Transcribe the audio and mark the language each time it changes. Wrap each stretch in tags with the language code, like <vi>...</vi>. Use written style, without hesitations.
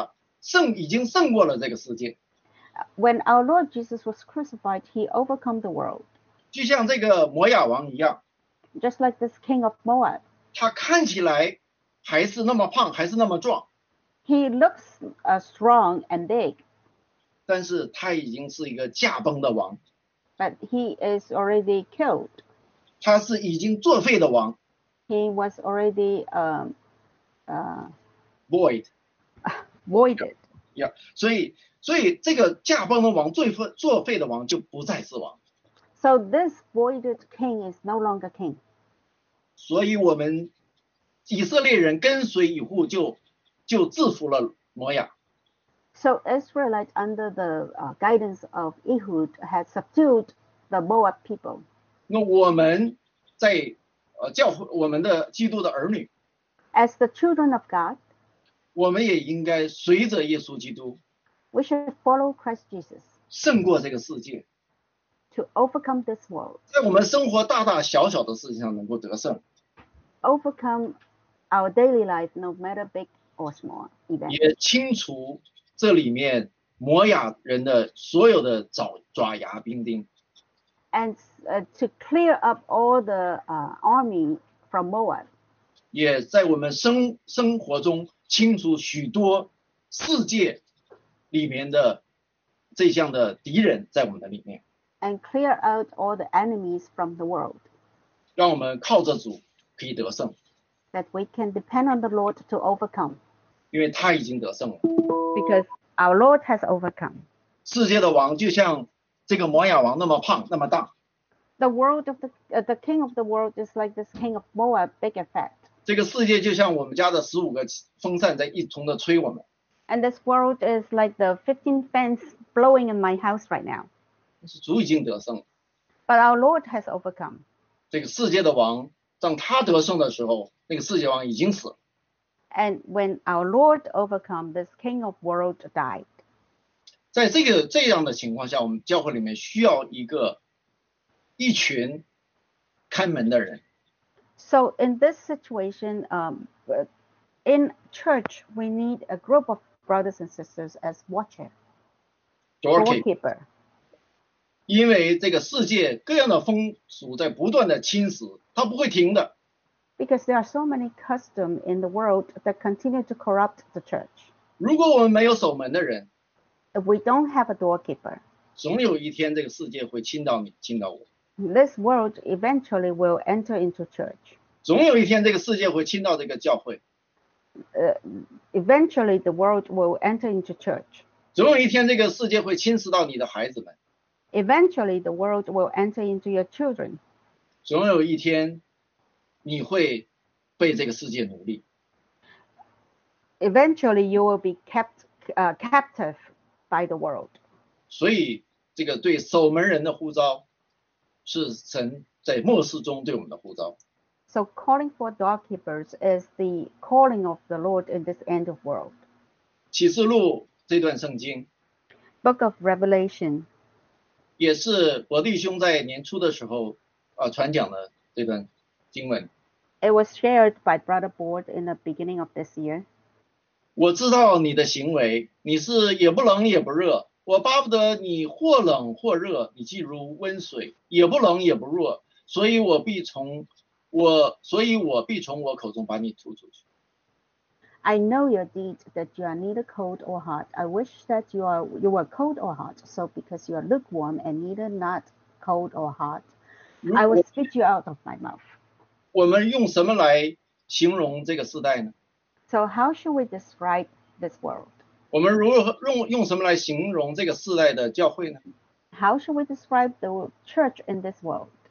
<zh>主耶稣在钉十字架已经胜过了这个世界.</zh> <en>When our Lord Jesus was crucified, he overcame the world.</en> <zh>就像这个摩亚王一样.</zh> <en>Just like this king of Moab.</en> <zh>他看起来还是那么胖，还是那么壮。</zh> <en>He looks strong and big.</en> <zh>但是他已经是一个驾崩的王。</zh> <en>But he is already killed.</en> <zh>他是已经作废的王。</zh> <en>He was already void. Voided. Yeah.</en> <zh>所以这个驾崩的王，作废的王就不再是王。</zh> <en>So this voided king is no longer king.</en> <zh>所以我们以色列人跟随以后就制服了摩亚。</zh> <en>So Israelites under the guidance of Ehud had subdued the Moab people.</en> <zh>那我们在教会我们的基督的儿女。</zh> <en>As the children of God.</en> <zh>我们也应该随着耶稣基督。</zh> <en>We should follow Christ Jesus.</en> <zh>胜过这个世界。</zh> <en>To overcome this world.</en> <zh>在我们生活大大小小的事情上能够得胜。</zh> <en>Overcome our daily life, no matter big or small event.</en> <zh>也清除。这里面摩亚人的所有的爪牙兵丁</zh> <en>，and to clear up all the army from Moab，</en> <zh>也在我们生活中清除许多世界里面的这项的敌人在我们的里面</zh> <en>，and clear out all the enemies from the world，</en> <zh>让我们靠着主可以得胜</zh> <en>，that we can depend on the Lord to overcome，</en> <zh>因为他已经得胜了。</zh> <en>Because our Lord has overcome.</en> <zh>世界的王就像这个摩亚王那么胖那么大。</zh> <en>The world of the king of the world is like this king of Moab, big and fat.</en> <zh>这个世界就像我们家的15个风扇在一同的吹我们。</zh> <en>And this world is like the 15 fans blowing in my house right now.</en> <zh>主已经得胜。</zh> <en>But our Lord has overcome.</en> <zh>这个世界的王当他得胜的时候，那个世界王已经死了。</zh> <en>And when our Lord overcome, this king of world died.</en> <zh>在这样的情况下，我们教会里面需要一群看门的人。</zh> <en>So in this situation, in church, we need a group of brothers and sisters as watcher, doorkeeper.</en> <zh>因为这个世界各样的风俗在不断的侵蚀，它不会停的。</zh> <en>Because there are so many customs in the world that continue to corrupt the church.</en> <zh>如果我们没有守门的人，</zh> <en>If we don't have a doorkeeper,</en> <zh>总有一天这个世界会侵到你，侵到我。</zh> <en>This world eventually will enter into church.</en> <zh>总有一天这个世界会侵到这个教会。</zh> <en>Eventually the world will enter into church.</en> <zh>总有一天这个世界会侵蚀到你的孩子们。</zh> <en>Eventually the world will enter into your children.</en> <zh>总有一天你会被这个世界奴隶。</zh> <en>Eventually, you will be kept captive by the world.</en> <zh>所以，这个对守门人的呼召，是神在末世中对我们的呼召。</zh> <en>So calling for doorkeepers is the calling of the Lord in this end of world.</en> <zh>启示录这段圣经</zh> <en>，Book of Revelation，</en> <zh>也是伯弟兄在年初的时候传讲的这段。经文</zh> <en>It was shared by Brother Board in the beginning of this year.</en> <zh>我知道你的行为，你是也不冷也不热，我巴不得你或冷或热，你既如温水，也不冷也不热，所以我必从我口中把你吐出去。</zh> <en>I know your deed that you are neither cold or hot. I wish that you were cold or hot. So because you are lukewarm and neither not cold or hot, I will spit you out of my mouth.</en> <zh>我们用什么来形容这个时代呢</zh> <en>？So how should we describe this world？</en> <zh>我们如何用什么来形容这个时代的教会呢</zh> <en>？How should we describe the church in this world？</en>